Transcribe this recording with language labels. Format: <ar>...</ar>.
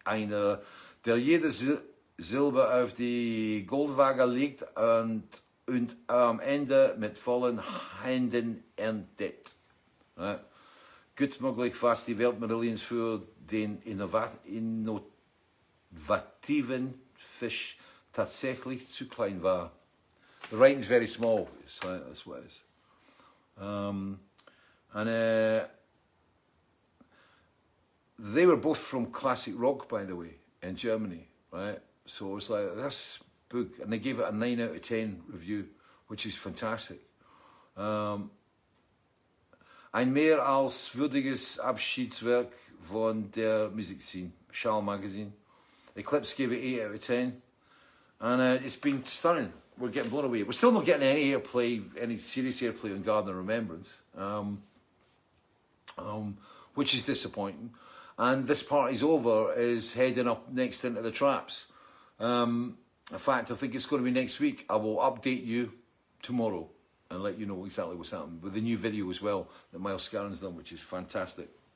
<de>Einer, der jede Silbe auf die Goldwaage legt und am Ende mit vollen Händen erntet. Gut möglich, was die Weltmarillions für den innovativen Fisch tatsächlich zu klein war.</de> <en>The writing's very small, so that's what it is. They were both from classic rock, by the way, in Germany, right? So I was like, this book, and they gave it a 9 out of 10 review, which is fantastic.</en> <de>Ein mehr als würdiges Abschiedswerk von der Musikszene, Schall Magazine.</de> <en>Eclipse gave it 8 out of 10. And it's been stunning. We're getting blown away. We're still not getting any airplay, any serious airplay on Garden of Remembrance. Which is disappointing. And this party's over is heading up next into the traps. In fact, I think it's going to be next week. I will update you tomorrow and let you know exactly what's happening with the new video as well that Miles Scarron's done, which is fantastic.</en>